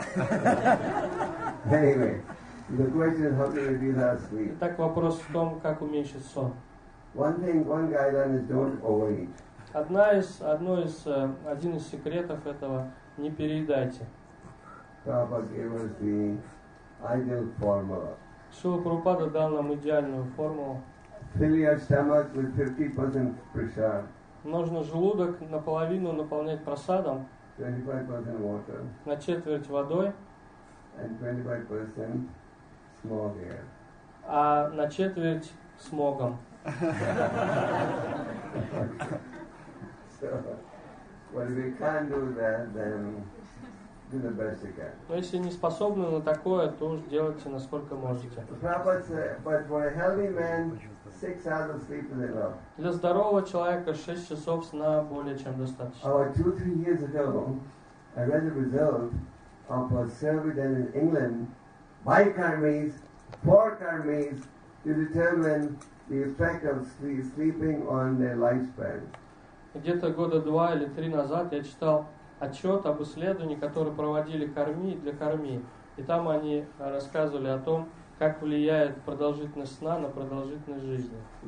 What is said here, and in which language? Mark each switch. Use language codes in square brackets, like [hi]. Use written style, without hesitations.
[en] Anyway, the question is how to reduce our sleep. [ru] Итак, вопрос в том, как уменьшить сон. [en] One thing, one guideline is don't overeat. [ru] Один из секретов этого – не переедайте. [en] Prabhupada gave us the ideal formula. [ru] Шрила Прабхупада дал нам идеальную формулу. [en] Fill your stomach with 50% prasad. [ru] Нужно желудок наполовину наполнять прасадом. [en] 25% water. [ru] На четверть водой. [en] And 25% smog air. [ru] А на четверть смогом. [en] So, when we can't do that, then do the best you can. [ru] Но если не способны на такое, то уж делайте, насколько можете. [en] But for a healthy man, 6 hours of sleep is enough. [ru] Для здорового человека 6 часов сна более чем достаточно. [en] About 2-3 years ago, I read the result of a survey done in England by karmis, for karmis, to determine the effect of sleeping on their lifespan. [ru] Где-то года два или три назад я читал отчет об исследовании, которое проводили корми для корми. И там они рассказывали о том, как влияет продолжительность сна на продолжительность жизни.